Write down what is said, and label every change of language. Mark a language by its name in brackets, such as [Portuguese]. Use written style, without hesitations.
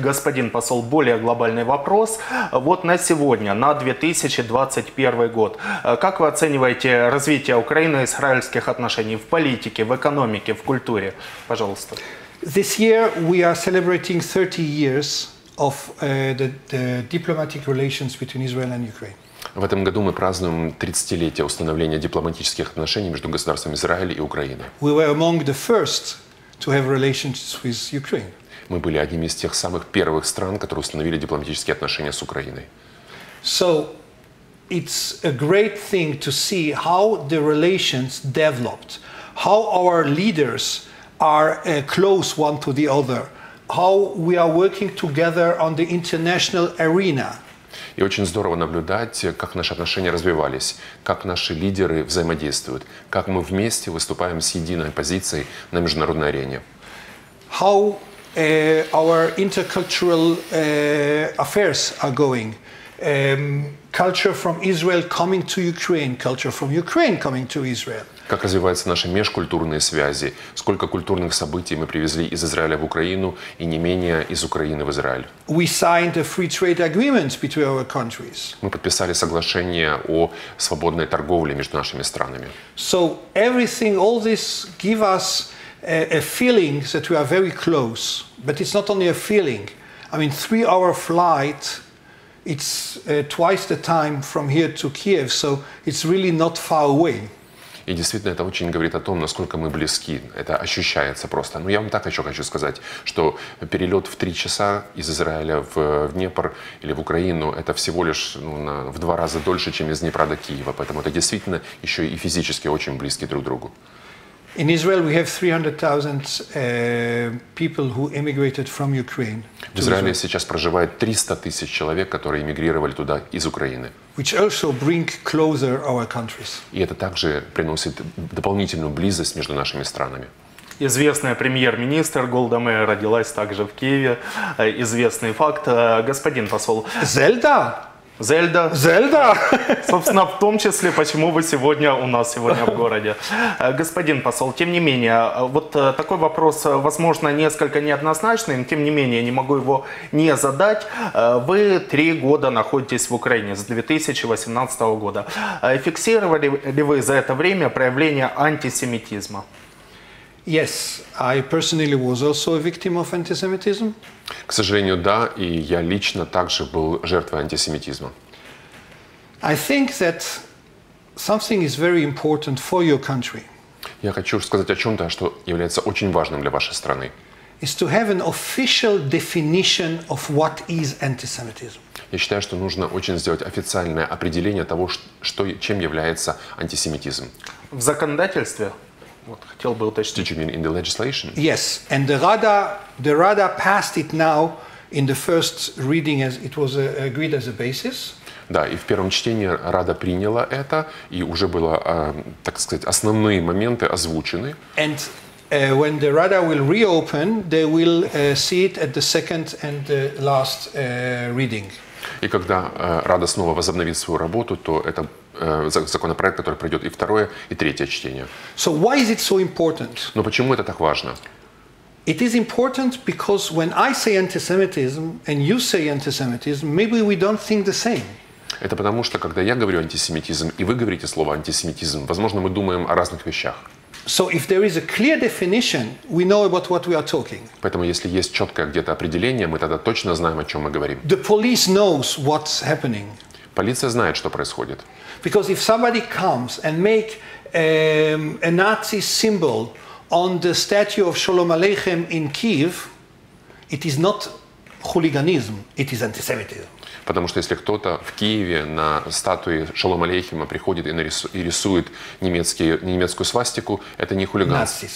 [Russian] Господин посол, более глобальный вопрос. Вот на сегодня, на 2021 год, как вы оцениваете развитие украино-израильских отношений в политике, в экономике, в культуре? Пожалуйста. [English] This year we are celebrating 30 years of the diplomatic relations between Israel and Ukraine. [Russian] В этом году мы празднуем 30-летие установления дипломатических отношений между государством Израиль и Украиной. [English] We were among the first to have relations with Ukraine. [Russian] Мы были одними из тех самых первых стран, которые установили дипломатические отношения с Украиной. [English] So it's a great thing to see how the relations developed, how our leaders are close one to the other, how we are working together on the international arena. [Russian] И очень здорово наблюдать, как наши отношения развивались, как наши лидеры взаимодействуют, как мы вместе выступаем с единой позицией на международной арене. [English] How our intercultural affairs are going. Culture from Israel coming to Ukraine, culture from Ukraine coming to Israel. [Russian] Как развиваются наши межкультурные связи? Сколько культурных событий мы привезли из Израиля в Украину и не менее из Украины в Израиль? [English] We signed a free trade agreement between our countries. [Russian] Мы подписали соглашение о свободной торговле между нашими странами. [English] So everything, all this give us a feeling that we are very close. But it's not only a feeling. I mean, 3-hour flight, it's twice the time from here to Kiev, so it's really not far away. [Russian] И действительно, это очень говорит о том, насколько мы близки. Это ощущается просто. Но я вам так еще хочу сказать, что перелет в 3 часа из Израиля в Днепр или в Украину, это всего лишь в 2 раза дольше, чем из Днепра до Киева. Поэтому это действительно еще и физически очень близки друг к другу. [English] In Israel we have 300,000 people who emigrated from Ukraine. [Russian] В Израиле сейчас проживает 300 тысяч человек, которые эмигрировали туда из Украины. [English] Which also bring closer our countries. [Russian] И это также приносит дополнительную близость между нашими странами. Известная премьер-министр Голда Мейер родилась также в Киеве. Известный факт, господин посол. Зельда? Зельда. Зельда! Собственно, в том числе, почему вы сегодня у нас сегодня в городе. Господин посол, тем не менее, вот такой вопрос, возможно, несколько неоднозначный, но тем не менее, не могу его не задать. Вы 3 года находитесь в Украине, с 2018 года. Фиксировали ли вы за это время проявление антисемитизма? [English] Yes, I personally was also a victim of antisemitism. [Russian] К сожалению, да, и я лично также был жертвой антисемитизма. [English] I think that something is very important for your country. [Russian] Я хочу сказать о чем-то, что является очень важным для вашей страны. [English] Is to have an official definition of what is antisemitism. [Russian] Я считаю, что нужно очень сделать официальное определение того, чем является антисемитизм. В законодательстве? Вот, хотел бы уточнить. [English] Did you mean in the legislation? Yes, and the Rada passed it now in the first reading as it was agreed as a basis. [Russian] Да, и в первом чтении Рада приняла это, и уже было, так сказать, основные моменты озвучены. [English] And when the Rada will reopen, they will see it at the second and the last reading. [Russian] И когда Рада снова возобновит свою работу, то это законопроект, который пройдет и второе, и третье чтение. [English] So why is it so important? [Russian] Но почему это так важно? [English] It is important because when I say antisemitism and you say antisemitism, maybe we don't think the same. [Russian] Это потому что когда я говорю антисемитизм и вы говорите слово антисемитизм, возможно, мы думаем о разных вещах. [English] So if there is a clear definition, we know about what we are talking. [Russian] Поэтому если есть четкое где-то определение, мы тогда точно знаем, о чем мы говорим. [English] The police knows what's happening. [Russian] Полиция знает, что происходит. [English] Because if somebody comes and make a Nazi symbol on the statue of Shalom Aleichem in Kiev, it is not hooliganism, it is antisemitism. [Russian] Потому что если кто-то в Киеве на статуе Шалом Алейхима приходит и рисует немецкую свастику, это не хулиган.